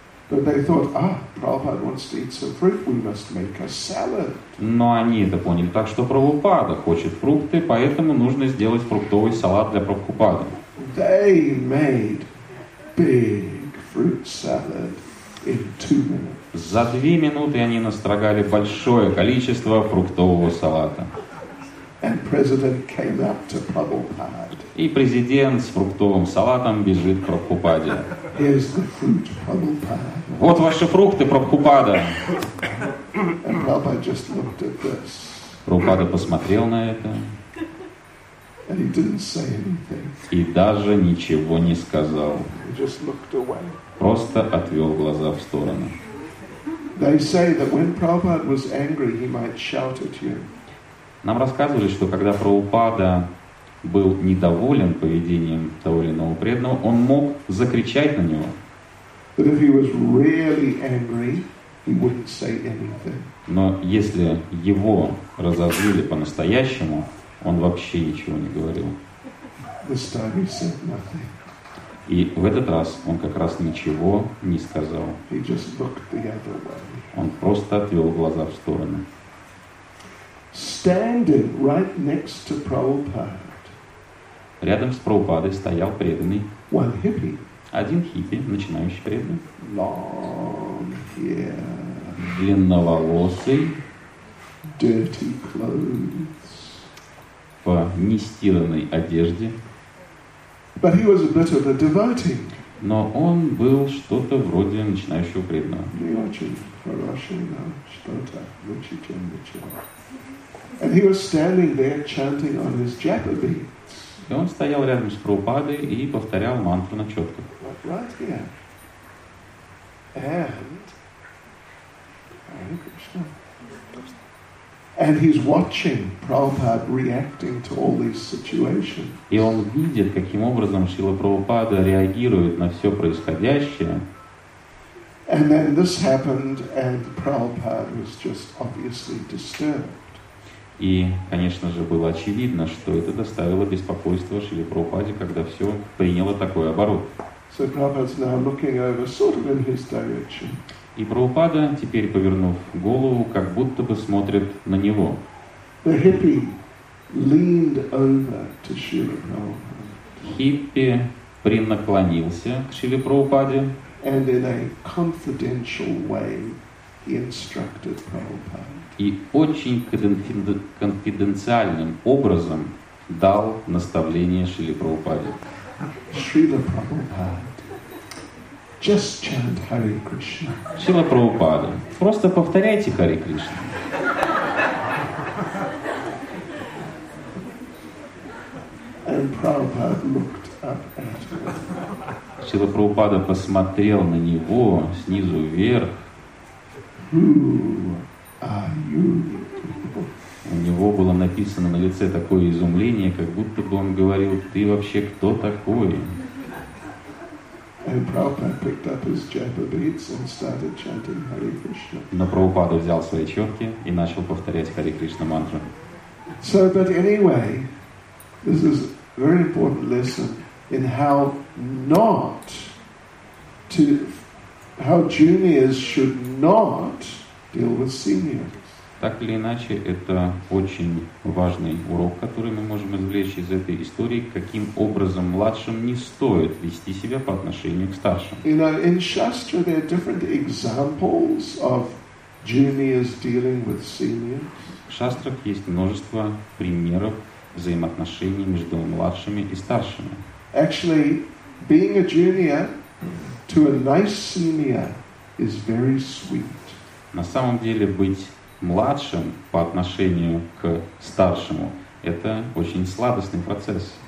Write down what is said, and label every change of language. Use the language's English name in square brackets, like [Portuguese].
[English] But they thought, ah, Prabhupada wants to eat some fruit. We must make a salad. [Russian] Но они это поняли так, что Прабхупада хочет фрукты, поэтому нужно сделать фруктовый салат для Прабхупады. [English] They made big fruit salad in 2 minutes. [Russian] За 2 минуты они настрогали большое количество фруктового салата. [English] And president came up to Prabhupada. [Russian] И президент с фруктовым салатом бежит к Прабхупаде. [English] Here's the fruit, Prabhupada. [Russian] Вот ваши фрукты, Прабхупада. [English] And Prabhupada just looked at this. [Russian] Прабхупада посмотрел на это. [English] And he didn't say anything. [Russian] И даже ничего не сказал. [English] He just looked away. [Russian] Просто отвел глаза в сторону. [English] They say that when Prabhupada was angry, he might shout at you. [Russian] Нам рассказывали, что когда Прабхупада был недоволен поведением того или иного преданного, он мог закричать на него. [English] But if he was really angry, he wouldn't say anything. [Russian] Но если его разозлили по-настоящему, он вообще ничего не говорил. [English] This time he said nothing. [Russian] И в этот раз он как раз ничего не сказал. [English] He just looked the other way. [Russian] Он просто отвел глаза в сторону. [English] Standing right next to Prabhupada. [Russian] Рядом с Прабхупадой стоял преданный. [English] One hippie. [Russian] Один хиппи, начинающий преданный. [English] Long hair. [Russian] Длинноволосый. [English] Dirty clothes. [Russian] В нестиранной одежде. [English] But he was a bit of a devotee. [Russian] но он был что-то вроде начинающего преданного. Не очень хороший, но что-то учительный человек. [English] And he was standing there chanting on his japa beads. [Russian] И он стоял рядом с Прабхупадой и повторял мантру на чётках. [English] Right here. And Hare Krishna. And he's watching Prabhupada reacting to all these situations. [Russian] И он видит, каким образом Шрила Прабхупада реагирует на все происходящее. [English] And then this happened, and Prabhupada was just obviously disturbed. [Russian] И, конечно же, было очевидно, что это доставило беспокойство Шриле Прабхупаде, когда все приняло такой оборот. [English] So Prabhupada's now looking over, sort of in his direction. [Russian] И Прабхупада, теперь повернув голову, как будто бы смотрит на него. [English] The hippie leaned over to Srila Prabhupada. [Russian] Хиппи принаклонился к Шриле Прабхупаде. [English] And in a confidential way, he instructed Prabhupada. [Russian] И очень конфиденциальным образом дал наставление Шриле Прабхупаде. [English] Srila Prabhupada, just chant Hare Krishna. [Russian] Srila Prabhupada, просто повторяйте Hare Krishna. [English] And Prabhupada looked up at him. [Russian] Srila Prabhupada посмотрел на него снизу вверх. [English] Who are you? [Russian] У него было написано на лице такое изумление, как будто бы он говорил, ты вообще кто такой? Но Прабхупада взял свои четки и начал повторять Hare Krishna мантру. [English] So, but anyway, this is a very important lesson in how not to, how juniors should not deal with seniors. [Russian] Так или иначе, это очень важный урок, который мы можем извлечь из этой истории, каким образом младшим не стоит вести себя по отношению к старшим. [English] You know, in Shastra there are different examples of juniors dealing with seniors. [Russian] В шастрах есть множество примеров взаимоотношений между младшими и старшими. [English] Actually, being a junior to a nice senior is very sweet. [Russian] На самом деле, быть младшим по отношению к старшему — это очень сладостный процесс.